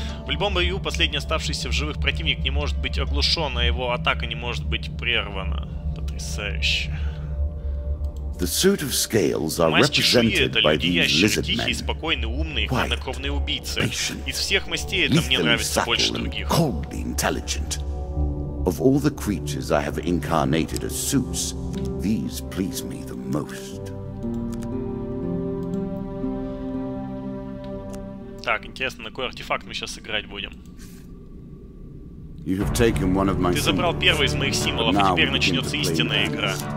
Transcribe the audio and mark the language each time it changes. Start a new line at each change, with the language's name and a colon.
Russian: В любом бою последний оставшийся в живых противник не может быть оглушен, а его атака не может быть прервана. Потрясающе. Мастер Шуи — это люди ящеры, тихие, спокойные, умные, хладнокровные убийцы. Из всех мастей это мне нравится больше других.
English: Of all the creatures I have incarnated as Suits, these please me the most. Так, интересно, на какой артефакт мы сейчас играть будем? You have taken one of my symbols.
Russian: Ты забрал первый из моих символов, а теперь начнется истинная игра.